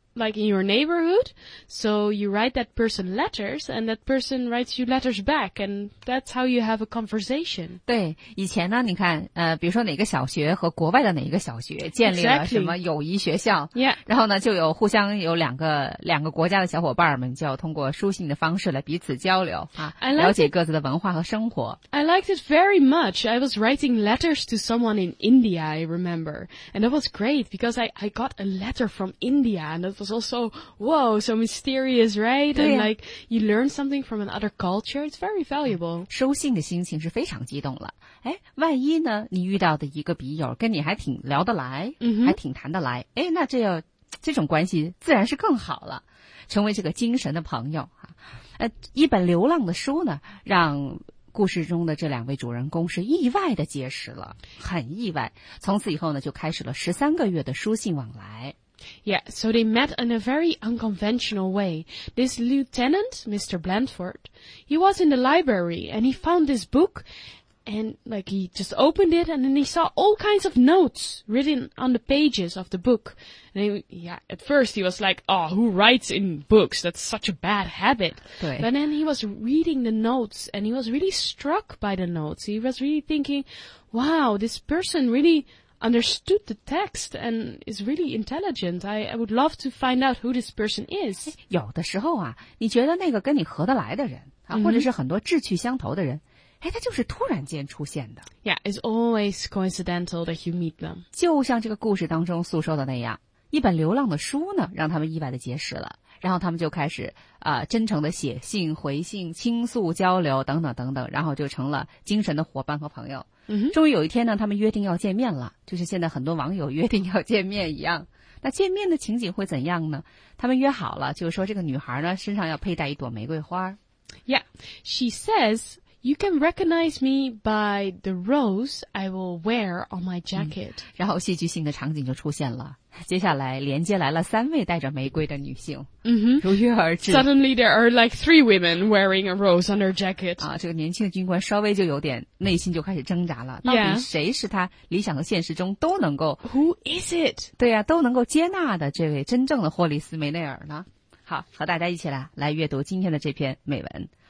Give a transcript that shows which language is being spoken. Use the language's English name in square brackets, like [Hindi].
[English] like in your neighborhood. So you write that person letters and that person writes you letters back. And that's how you have a conversation. [Chinese] 对，以前呢，你看，比如说哪个小学和国外的哪个小学建立了什么友谊学校。 [English] Exactly. Yeah. [Chinese] 然后呢，就有互相有两个国家的小伙伴们就要通过书信的方式来彼此交流啊，了解各自的文化和生活。 [English] I liked it very much. I was writing letters to someone in India, I remember. And that was great because I got a letter from India and that was also, whoa, so mysterious, right? And like, you learn something from another culture. It's very valuable. [Chinese] 收信的心情是非常激动了。哎，万一呢，你遇到的一个笔友跟你还挺聊得来，还挺谈得来，哎，那这种关系自然是更好了，成为这个精神的朋友。一本流浪的书呢，让故事中的这两位主人公是意外的结识了，很意外。从此以后呢，就开始了13个月的书信往来。 [English] Yeah, so they met in a very unconventional way. This lieutenant, Mr. Blandford, he was in the library and he found this book and like he just opened it and then he saw all kinds of notes written on the pages of the book. And at first he was like, oh, who writes in books? That's such a bad habit. But then he was reading the notes and he was really struck by the notes. He was really thinking, wow, this person really understood the text and is really intelligent. I would love to find out who this person is. [Chinese] 有的时候啊，你觉得那个跟你合得来的人啊，或者是很多志趣相投的人，哎，他就是突然间出现的。 [English] Yeah, it's always coincidental that you meet them. [Chinese] 就像这个故事当中诉说的那样，一本流浪的书呢，让他们意外的结识了，然后他们就开始真诚的写信、回信、倾诉、交流等等等等，然后就成了精神的伙伴和朋友。终于有一天呢，他们约定要见面了，就是现在很多网友约定要见面一样。那见面的情景会怎样呢？他们约好了，就是说这个女孩呢身上要佩戴一朵玫瑰花。 [English] Yeah, she says, you can recognize me by the rose I will wear on my jacket. [Chinese] 然后戏剧性的场景就出现了。接下来连接来了三位戴着玫瑰的女性。如约而至。 [English] Suddenly there are like three women wearing a rose on their jacket. [Chinese] 这个年轻的军官稍微就有点内心就开始挣扎了。到底谁是他理想和现实中都能够。 [English] Who is it? [Chinese] 对啊，都能够接纳的这位真正的霍里斯梅内尔呢。好，和大家一起来阅读今天的这篇美文。